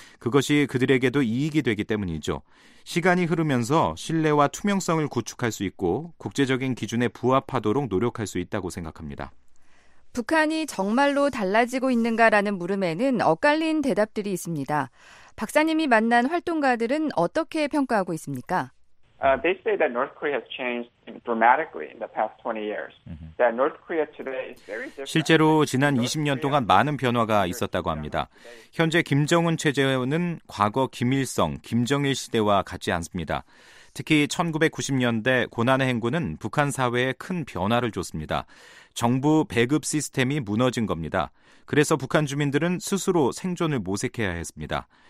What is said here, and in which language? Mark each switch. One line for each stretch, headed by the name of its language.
Korean: 그것이 그들에게도 이익이 되기 때문이죠. 시간이 흐르면서 신뢰와 투명성을 구축할 수 있고 국제적인 기준에 부합하도록 노력할 수 있다고 생각합니다. 북한이 정말로 달라지고 있는가라는 물음에는 엇갈린 대답들이 있습니다. 박사님이 만난 활동가들은 어떻게 평가하고 있습니까?
English: They say that North Korea has changed dramatically in the past 20 years. That North Korea today is very different.
Korean: 실제로 지난 20년 동안 많은 변화가 있었다고 합니다. 현재 김정은 체제는 과거 김일성, 김정일 시대와 같지 않습니다. 특히 1990년대 고난의 행군은 북한 사회에 큰 변화를 줬습니다. 정부 배급 시스템이 무너진 겁니다. 그래서 북한 주민들은 스스로 생존을 모색해야 했습니다.